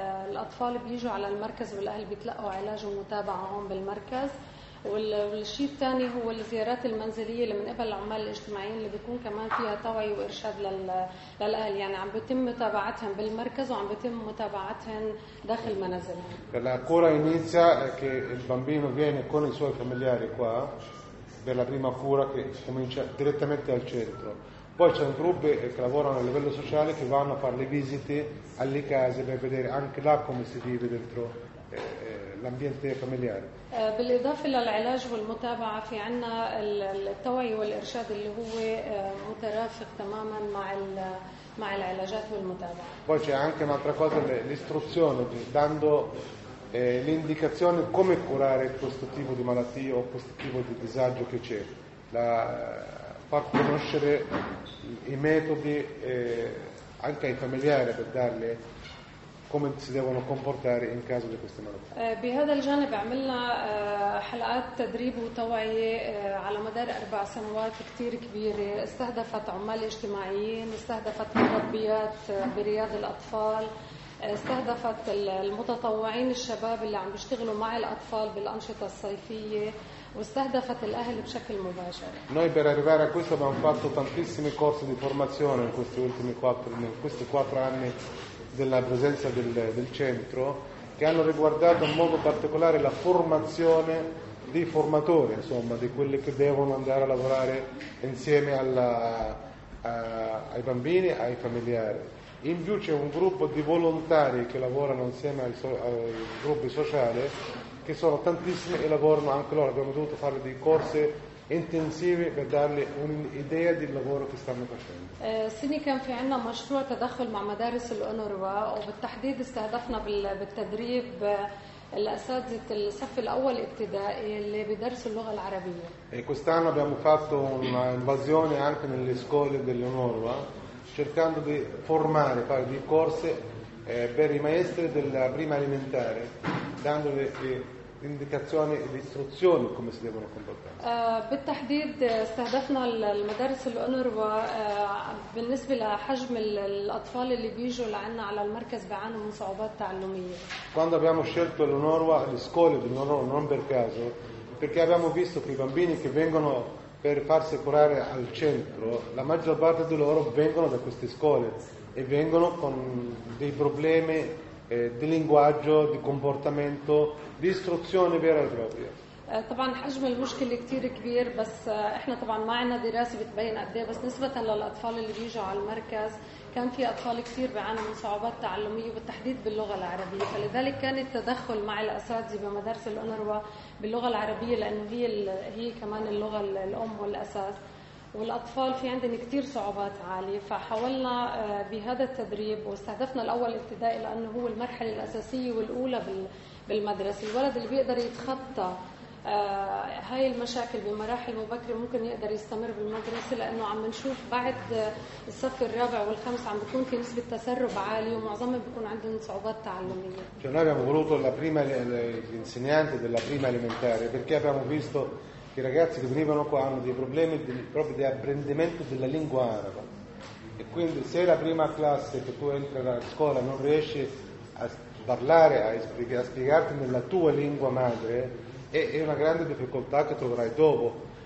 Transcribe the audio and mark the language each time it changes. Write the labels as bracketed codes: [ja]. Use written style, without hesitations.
[ar] الأطفال بيجوا على المركز والأهل بيتلقوا علاج ومتابعة هون بالمركز. والشيء الثاني هو الزيارات المنزلية اللي من قبل العمال الاجتماعيين اللي بيكون كمان فيها توعي وإرشاد للأهل، يعني عم بتم متابعتهم بالمركز وعم بتم متابعتهم داخل منازلهم. [it] La cura inizia che il bambino viene con i suoi familiari qua per la prima cura che comincia direttamente al centro. Poi c'è un gruppo che lavorano a livello sociale che vanno a fare le visite alle case per vedere anche là come si vive dentro l'ambiente familiare. [ar] بالإضافة للعلاج والمتابعة في عنا التوعية والإرشاد اللي هو مترافق تماما مع العلاجات والمتابعة. [it] Poi c'è anche un'altra cosa, l'istruzione, dando l'indicazione come curare questo tipo di malattia o questo tipo di disagio che c'è, far conoscere i metodi anche ai familiari per darle come si devono comportare in caso di queste malattie. [ar] بهذا الجانب عملنا حلقات تدريب وتوعية على مدار 4 سنوات كتير كبيرة، استهدفت عمال اجتماعيين، استهدفت مربيات برياض الأطفال، استهدفت المتطوعين الشباب اللي عم بيشتغلوا مع الأطفال بالأنشطة الصيفية واستهدفت الأهل بشكل مباشر. [it] Noi per arrivare a questo abbiamo fatto tantissimi corsi di formazione in questi ultimi 4 anni della presenza del centro che hanno riguardato in modo particolare la formazione dei formatori, insomma, di quelli che devono andare a lavorare insieme ai bambini, ai familiari. In più c'è un gruppo di volontari che lavorano insieme ai gruppi sociali, che sono tantissimi e lavorano anche loro. Abbiamo dovuto fare dei corsi intensivi per dargli un'idea del lavoro che stanno facendo. [ar] Sini kan fi anna mashru' tadakhul ma' madaris al-UNRWA o bil tahdid istahdafna bil tadrib الأساتذة الصف الأول ابتدائي اللي بيدرسوا اللغة العربية. [it] E quest'anno abbiamo fatto un'invasione anche nelle scuole dell'UNRWA cercando di formare, fare dei corsi per i maestri della prima elementare, dando le indicazioni e le istruzioni come si devono comportare. [ar] بالتحديد استهدفنا المدارس الأنوروا بالنسبة لحجم الأطفال اللي بيجوا لعنا على المركز بيعانوا من صعوبات تعلمية. [it] Quando abbiamo scelto l'UNRWA, le scuole di UNRWA non per caso, perché abbiamo visto che i bambini che vengono per farsi curare al centro, la maggior parte di loro vengono da queste scuole e vengono con dei problemi di linguaggio, di comportamento, di istruzione vera e propria. [ar] طبعا حجم المشكلة كتير كبير بس احنا طبعا ما عنا دراسة بتبين قد ايه بس نسبة للأطفال اللي بيجوا على المركز كان في أطفال كتير بيعانوا من صعوبات تعلمية بالتحديد باللغة العربية فلذلك كان التدخل مع الأساتذة بمدارس الأنروا باللغة العربية لأنه هي كمان اللغة الأم والأساس والأطفال في عندهم كتير صعوبات عالية فحاولنا بهذا التدريب واستهدفنا الأول ابتدائي لأنه هو المرحلة الأساسية والأولى بالمدرسة الولد اللي بيقدر يتخطى هاي المشاكل بمراحل مبكرة ممكن يقدر يستمر بالمدرسة لأنه عم نشوف بعد الصف الرابع والخامس عم بيكون في نسبة تسرب عالية ومعظمهم بيكون عندهم صعوبات تعلمية. [it] Cioè noi abbiamo voluto la prima l'insegnante della prima elementare perché abbiamo visto che i ragazzi che venivano qua hanno dei problemi proprio di apprendimento della lingua araba e quindi se la prima classe che tu entri a scuola non riesci a parlare a spiegarti nella tua lingua madre è una grande difficoltà che troverai dopo.